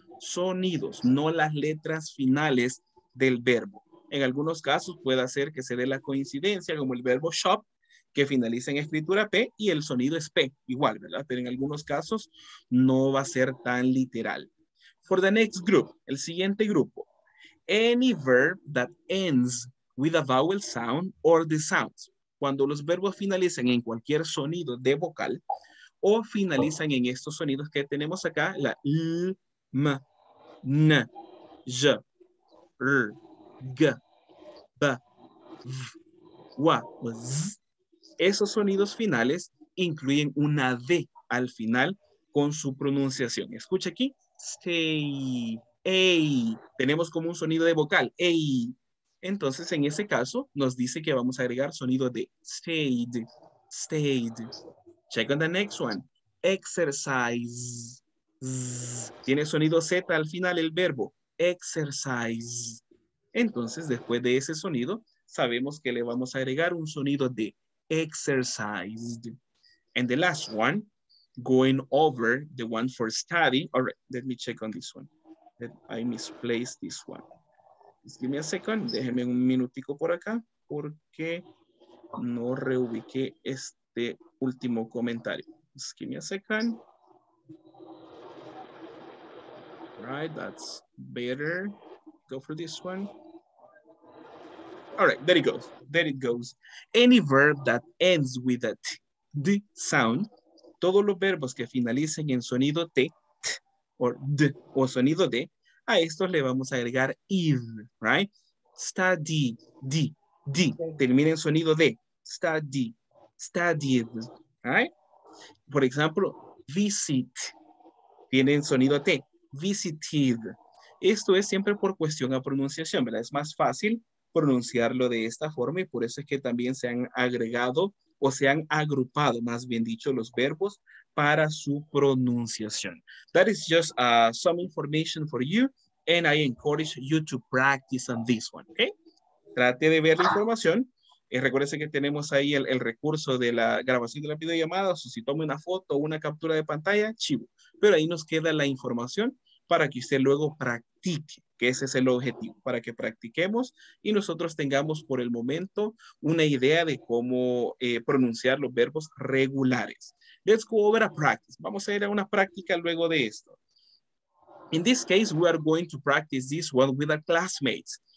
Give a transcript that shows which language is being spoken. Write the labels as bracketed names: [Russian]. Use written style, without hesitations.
[Spanish] Sonidos, no las letras finales del verbo. En algunos casos puede ser que se dé la coincidencia, como el verbo shop, que finaliza en escritura P y el sonido es P, igual, ¿verdad? Pero en algunos casos no va a ser tan literal. [English] For the next group, [Spanish] el siguiente grupo. [English] Any verb that ends with a vowel sound or the sounds. [Spanish] Cuando los verbos finalizan en cualquier sonido de vocal, o finalizan en estos sonidos que tenemos acá, la L, M, N, J, R, G, B, V, W, Z. Esos sonidos finales incluyen una D al final con su pronunciación. Escucha aquí. Stay, ey. Tenemos como un sonido de vocal. Ey. Entonces, en ese caso, nos dice que vamos a agregar sonido de stayed, stayed. [English] Check on the next one. [Spanish] Exercise. Tiene sonido Z al final el verbo. [English] Exercise. [Spanish] Entonces, después de ese sonido, sabemos que le vamos a agregar un sonido de exercised. [English] And the last one, going over the one for study. All right, let me check on this one. I misplaced this one. Just give me a second. [Spanish] Déjeme un minutico por acá porque no reubiqué este. De último comentario. [English] Just give me a second. Right, that's better. Go for this one. All right, there it goes. There it goes. Any verb that ends with a t sound, [Spanish] todos los verbos que finalicen en sonido t, t or d o sonido d, a estos le vamos a agregar id, right? Study, d, d. Termina en sonido d. Study. [English] Studied, right? [Spanish] Por ejemplo, visit, tiene sonido T, visited. Esto es siempre por cuestión a pronunciación, ¿verdad? Es más fácil pronunciarlo de esta forma y por eso es que también se han agregado o se han agrupado, más bien dicho, los verbos para su pronunciación. [English] That is just some information for you and I encourage you to practice on this one, okay? [Spanish] Trate de ver la información. Recuérdense que tenemos ahí el recurso de la grabación de la videollamada. O sea, si toma una foto o una captura de pantalla, chivo. Pero ahí nos queda la información para que usted luego practique, que ese es el objetivo, para que practiquemos y nosotros tengamos por el momento una idea de cómo pronunciar los verbos regulares. [English] Let's go over a practice. [Spanish] Vamos a ir a una práctica luego de esto. [English] In this case, we are going to practice this one with our classmates.